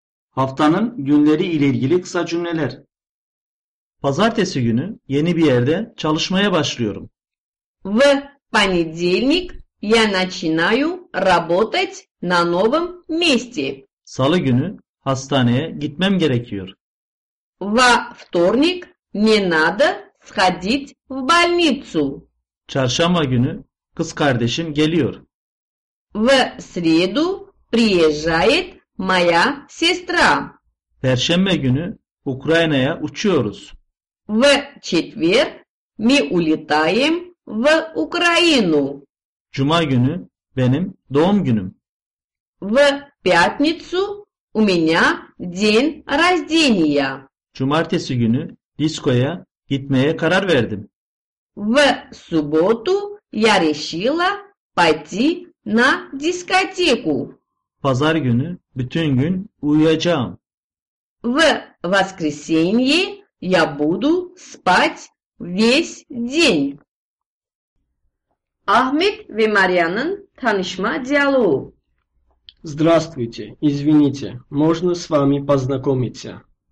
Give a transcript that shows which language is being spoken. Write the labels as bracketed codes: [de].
[tr] Haftanın günleri ile ilgili kısa cümleler. Pazartesi günü yeni bir yerde çalışmaya başlıyorum. [ru] В понедельник я начинаю работать на новом месте. [tr] Salı günü hastaneye gitmem gerekiyor. [ru] Во вторник мне надо сходить в больницу. [tr] Çarşamba günü kız kardeşim geliyor. [ru] В среду приезжает моя сестра. [tr] Perşembe günü Ukrayna'ya uçuyoruz. [ru] В четверг мы улетаем в Украину. [tr] Cuma günü benim doğum günüm. [ru] В пятницу у меня день рождения. [tr] Cumartesi günü diskoya gitmeye karar verdim. [ru] В субботу я решила пойти на дискотеку. [tr] Pazar günü bütün gün uyuyacağım. [ru] В воскресенье я буду спать весь день. [tr] Ахмет ве Марьяның танышма диалогу. [ru] Здравствуйте, извините, можно с вами познакомиться?